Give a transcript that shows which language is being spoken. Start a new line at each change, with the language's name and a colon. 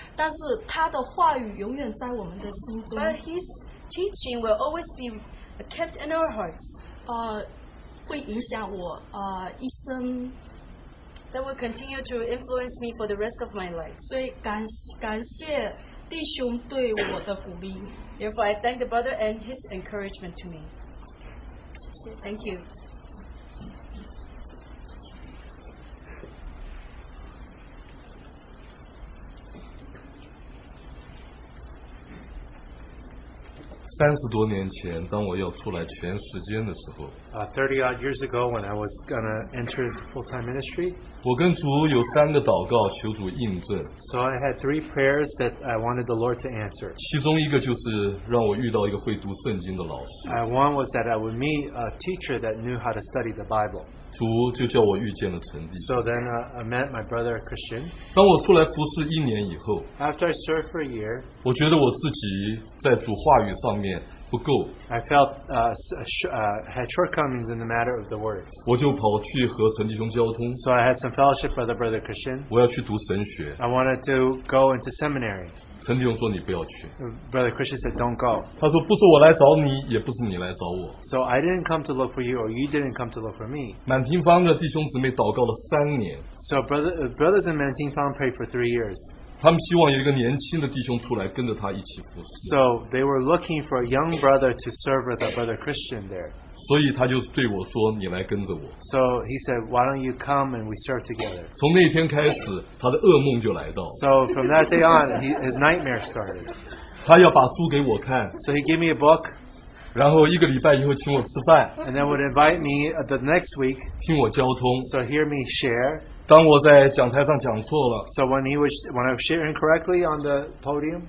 Chinese: 但是他的话语永远在我们的心中,
English: but his teaching will always be kept in our hearts.
Chinese: 会影响我一生,
English: that will continue to influence me for the rest of my life.
Chinese: 所以感谢弟兄对我的鼓励。
English: Therefore, I thank the brother and his encouragement to me. Thank you. Thirty-odd years ago, when I was going to enter the full-time ministry,
Chinese: 我跟主有三个祷告, 求主印证,
English: so I had three prayers that I wanted the Lord to answer.
Chinese: 其中一个就是让我遇到一个会读圣经的老师。
English: One was that I would meet a teacher that knew how to study the Bible.
Chinese: 主就叫我遇见了陈弟,
English: so then I met my brother Christian.
Chinese: 当我出来服侍一年以后,
English: after I served for a year,
Chinese: 我觉得我自己在主话语上面不够,
English: I felt had shortcomings in the matter of the word.
Chinese: 我就跑去和陈弟兄交通,
English: so I had some fellowship with brother Christian.
Chinese: 我要去读神学,
English: I wanted to go into seminary.
Chinese: 陈弟兄说你不要去,
English: brother Christian said don't go.
Chinese: 他说不是我来找你, 也不是你来找我,
English: so I didn't come to look for you, or you didn't come to look for me.
Chinese: 满庭芳的弟兄姊妹祷告了三年,
English: so brothers in Mantingfang prayed for 3 years.
Chinese: 他们希望有一个年轻的弟兄出来跟着他一起服侍,
English: so they were looking for a young brother to serve with a brother Christian there.
Chinese: 所以他就对我说, 你来跟着我,
English: so he said, why don't you come and we serve together?
Chinese: 从那天开始, 他的噩梦就来到,
English: so from that day on, his nightmare started.
Chinese: 他要把书给我看,
English: so he gave me a book,
Chinese: 然后一个礼拜以后请我吃饭,
English: and then would invite me the next week,
Chinese: 听我交通,
English: so hear me share.
Chinese: 当我在讲台上讲错了,
English: so when I was sharing correctly on the podium,